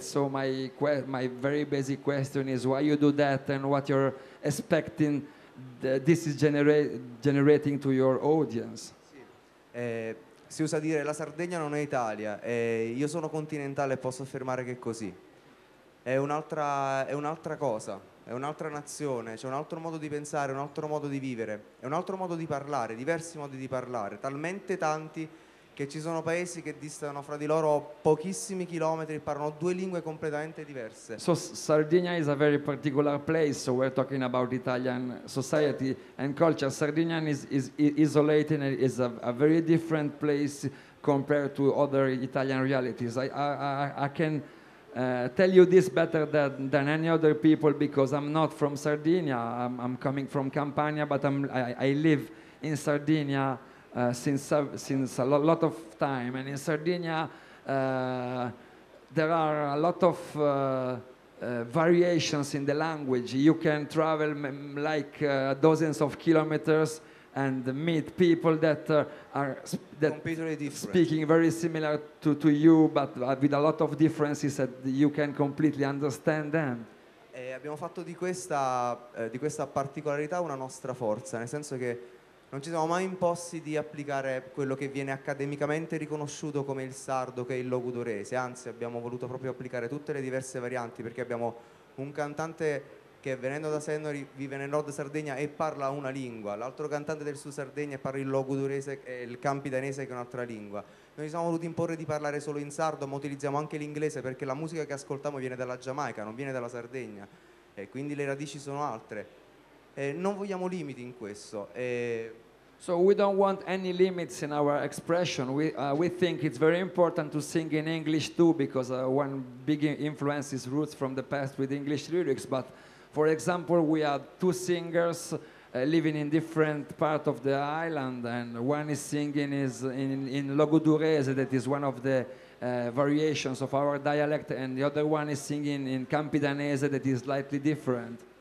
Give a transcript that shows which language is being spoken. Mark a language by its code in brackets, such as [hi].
[en] So my very basic question is why you do that and what you're expecting this is generating to your audience. [it] Si usa dire la Sardegna non è Italia, io sono continentale e posso affermare che è così. È un'altra cosa, è un'altra nazione, c'è un altro modo di pensare, un altro modo di vivere, è un altro modo di parlare, diversi modi di parlare, talmente tanti che ci sono paesi che distano fra di loro pochissimi chilometri, parlano due lingue completamente diverse. [en] So Sardinia is a very particular place, so we're talking about Italian society and culture. Sardinia is isolated and is a very different place compared to other Italian realities. I can tell you this better than any other people because I'm not from Sardinia. I'm coming from Campania, but I live in Sardinia since a lot of time, and in Sardinia there are a lot of variations in the language. You can travel like dozens of kilometers and meet people that are speaking very similar to you, but with a lot of differences that you can completely understand them. [it] E abbiamo fatto di questa particolarità una nostra forza, nel senso che non ci siamo mai imposti di applicare quello che viene accademicamente riconosciuto come il sardo, che è il logudorese, anzi abbiamo voluto proprio applicare tutte le diverse varianti, perché abbiamo un cantante che venendo da Senori vive nel nord Sardegna e parla una lingua, l'altro cantante del sud Sardegna parla il logudorese e il campidanese, che è un'altra lingua. Noi siamo voluti imporre di parlare solo in sardo, ma utilizziamo anche l'inglese, perché la musica che ascoltiamo viene dalla Giamaica, non viene dalla Sardegna, e quindi le radici sono altre. Non vogliamo limiti in questo. [en] So we don't want any limits in our expression. We think it's very important to sing in English too, because one big influence is roots from the past with English lyrics. But for example, we are two singers living in different part of the island, and one is singing in Logudorese, that is one of the variations of our dialect, and the other one is singing in Campidanese, that is slightly different.